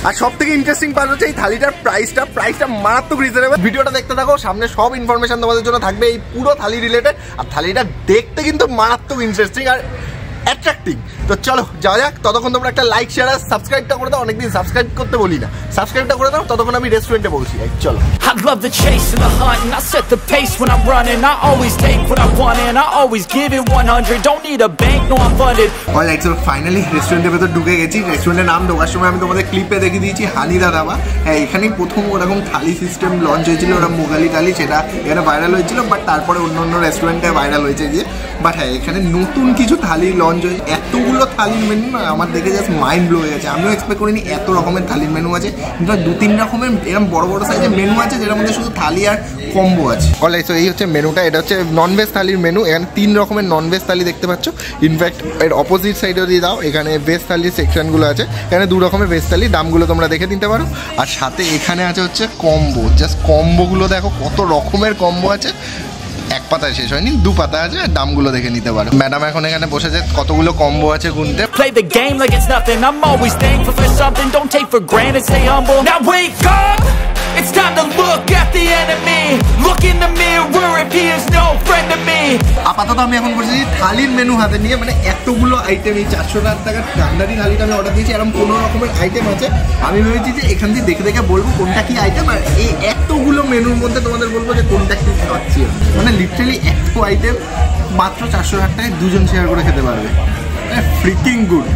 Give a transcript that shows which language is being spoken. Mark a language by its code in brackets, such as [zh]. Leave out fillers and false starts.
[bn] আর সব থেকে interesting part হচ্ছে এই থালিটার প্রাইসটা মারাত্মক রিজনেবল। ভিডিওটা দেখতে থাকো, সামনে সব ইনফরমেশন তোমাদের জন্য থাকবে এই পুরো থালি রিলেটেড, আর থালিটা দেখতে কিন্তু মারাত্মক ইন্টারেস্টিং আর অ্যাট্রাক্টিং। তো চলো যাওয়া যাক, ততক্ষণ তোমরা একটা লাইক শেয়ার আর সাবস্ক্রাইবটা করে দাও, অনেকদিন সাবস্ক্রাইব করতে বলি না, সাবস্ক্রাইবটা করে দাও, ততক্ষণ আমি রেস্টুরেন্টে বলছি। চলো। [en] I love the chase and the hunt, and I set the pace when I'm running. I always take what I want, and I always give it 100. Don't need a bank, no, I'm funded. All right, so finally, restaurant [bn] ভেতর ঢুকে গেছি। রেস্টুরেন্টের নাম দেওয়ার সময় আমি তোমাদের ক্লিপে দেখিয়ে দিয়েছি, হানি দাদাবা। হ্যাঁ, এখানেই প্রথম ওরকম থালি সিস্টেম লঞ্চ হয়েছিল, ওরা মুঘালি থালি, সেটা এখানে ভাইরাল হয়েছিল, বাট তারপরে অন্য অন্য রেস্টুরেন্টে ভাইরাল হয়েছে গিয়ে। বাট হ্যাঁ, এখানে নতুন কিছু থালি লঞ্চ হয়েছে, এতগুলো থালির মেনু না, আমার দেখে জাস্ট মাইন্ড ব্লো হয়ে গেছে। আমিও এক্সপেক্ট করিনি এত রকমের থালির মেনু আছে, কিন্তু দু তিন রকমের এরকম বড় বড় সাইজের মেনু আছে, যেটার মধ্যে শুধু থালি আর কম্বো আছে। অল রাইট, সো এই হচ্ছে মেনুটা, এটা হচ্ছে ননভেজ থালির মেনু, এখানে 3 রকমের ননভেজ থালি দেখতে পাচ্ছ। ইনফ্যাক্ট এর অপোজিট সাইডে যদি দাও, এখানে ভেজ থালির সেকশনগুলো আছে, এখানে 2 রকমের ভেজ থালি, দামগুলো তোমরা দেখে নিতে পারো। আর সাথে এখানে আছে হচ্ছে কম্বো, জাস্ট কম্বোগুলো দেখো কত রকমের কম্বো আছে, এক পাতায় শেষ হয়নি, 2 পাতা আছে, দামগুলো দেখে নিতে পারো। ম্যাডাম এখন এখানে বসে আছে, কতগুলো কম্বো আছে গুনতে। [en] Play the game like it's nothing, I'm always thankful for something, don't take for granted, stay humble. Now wake up! It's time to look at the enemy. Look in the mirror if he is no friend to me. [bn] আপাতত আমি এখন বসে আছি থালির menu হাতে নিয়ে, মানে এতগুলো item, এই 460 টাকার ঠান্ডারি থালিটা আমি অর্ডার দিয়েছি, এরকম 15 রকমের আইটেম আছে। আমি ভেবেছি যে এখান থেকে দেখে দেখে বলবো কোনটা কি আইটেম, আর এই এতগুলো মেনুর মধ্যে তোমাদের বলবো যে কোনটা কি খাচ্ছি, মানে লিটারালি এত আইটেম মাত্র 460 টাকায় দুজন শেয়ার করে খেতে পারবে, ফ্রিকিং গুড।